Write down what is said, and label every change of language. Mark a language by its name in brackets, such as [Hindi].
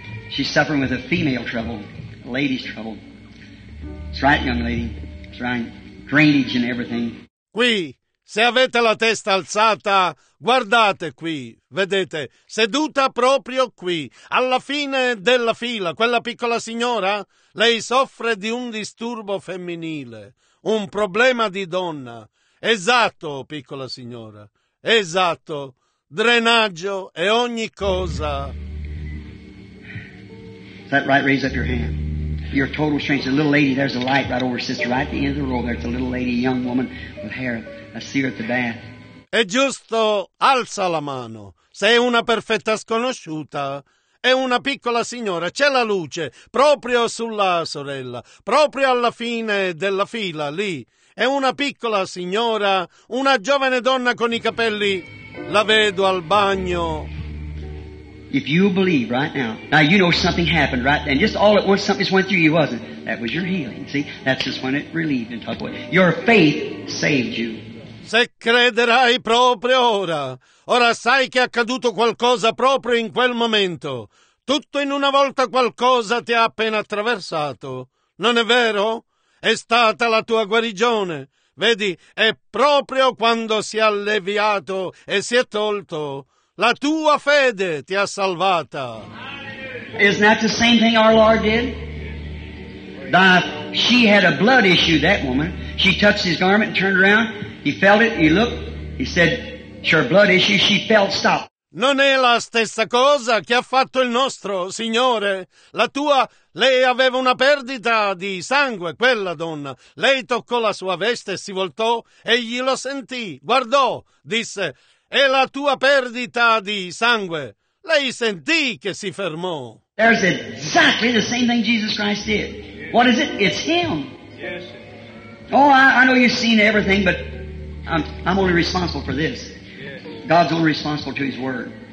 [English] She's suffering with a female trouble, a lady's trouble. That's right, young lady. That's right. Drainage and everything. [Italian] Qui, se avete la testa alzata, guardate qui, vedete, seduta proprio qui, alla fine della fila, quella piccola signora, lei soffre di un disturbo femminile, un problema di donna. Esatto, piccola signora, esatto, drenaggio e ogni cosa. [English] Is that right? Raise up your hand. You're a total stranger. Little lady, there's a light right over, sister, right at the end of the row. There's a little lady, a young woman with hair. I see her at the bath. [Italian] È giusto, alza la mano. Sei una perfetta sconosciuta. È una piccola signora. C'è la luce, proprio sulla sorella. Proprio alla fine della fila, lì. È una piccola signora, una giovane donna con i capelli. La vedo al bagno. [English] If you believe right now, now you know something happened right then. Just all at once something just went through you, wasn't it? That was your healing, see? That's just when it relieved and took away. Your faith saved you. [Italian] Se crederai proprio ora, ora sai che è accaduto qualcosa proprio in quel momento. Tutto in una volta qualcosa ti ha appena attraversato. Non è vero? È stata la tua guarigione. Vedi, è proprio quando si è alleviato e si è tolto. La tua fede ti ha salvata. [English] Isn't that the same thing our Lord did? That she had a blood issue, that woman. She touched his garment and turned around. He felt it, he looked, he said, it's your blood issue, she felt stopped. [Italian] Non è la stessa cosa che ha fatto il nostro Signore. La tua, lei aveva una perdita di sangue, quella donna. Lei toccò la sua veste e si voltò, egli lo sentì, guardò, disse, è la tua perdita di sangue. Lei sentì che si fermò. [English] There's exactly the same thing Jesus Christ did. What is it? It's him. Oh, I know you've seen everything, but I'm only responsible for this. God's only responsible to his word.